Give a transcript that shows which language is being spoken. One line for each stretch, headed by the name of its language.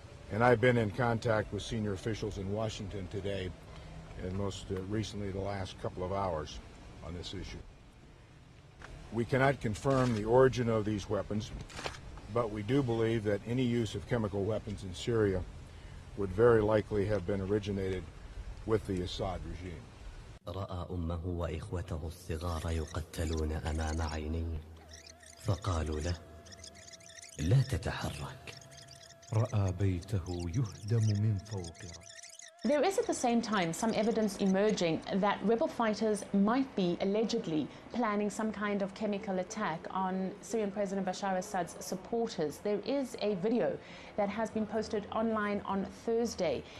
English: And I've been in contact with senior officials in Washington today, and most recently the last couple of hours on this issue. We cannot confirm the origin of these weapons, but we do believe that any use of chemical weapons in Syria would very likely have been originated with the Assad regime.
Arabic: رأى أمه وإخوته الصغار يقتلون أمام عينيه، فقالوا له: لا تتحرك. رأى بيته يهدم من فوق.
English: There is at the same time some evidence emerging that rebel fighters might be allegedly planning some kind of chemical attack on Syrian President Bashar Assad's supporters. There is a video that has been posted online on Thursday.